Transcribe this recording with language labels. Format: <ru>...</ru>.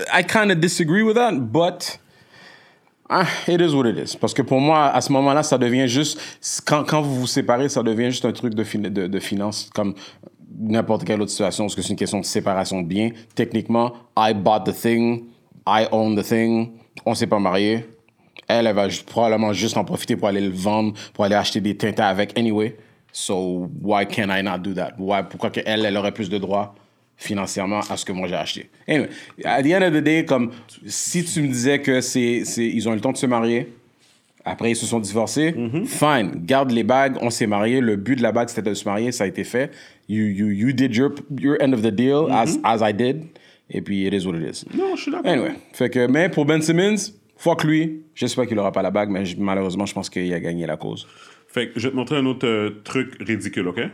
<en>I kind of disagree with that, but it is what it is.</en> <fr>Parce que pour moi, à ce moment-là, ça devient juste. Quand vous vous séparez, ça devient juste un truc de finance, comme n'importe quelle autre situation. Parce que c'est une question de séparation de biens. Techniquement,</fr> <en>I bought the thing. I own the thing.</en> <fr>On s'est pas marié. Elle va probablement juste en profiter pour aller le vendre, pour aller acheter des tintas avec anyway.</fr> <en>So why can I not do that? Why?</en> <fr>Pourquoi que elle aurait plus de droits financièrement à ce que moi j'ai acheté?</fr> <en>Anyway, at the end of the day,</en> <fr>comme si tu me disais que c'est ils ont eu le temps de se marier, après ils se sont divorcés, mm-hmm. fine, garde les bagues, on s'est marié, le but de la bague c'était de se marier, ça a été fait.</fr> <en>You did your end of the deal mm-hmm. as I did,</en> <fr>et puis</fr> <en>it is what it is.</en> <fr>Non, je suis d'accord. Anyway, fait que mais pour Ben Simmons, fuck lui, j'espère qu'il aura pas la bague, mais malheureusement je pense qu'il a gagné la cause. Fait que je vais te montrer un autre truc ridicule, OK?</fr>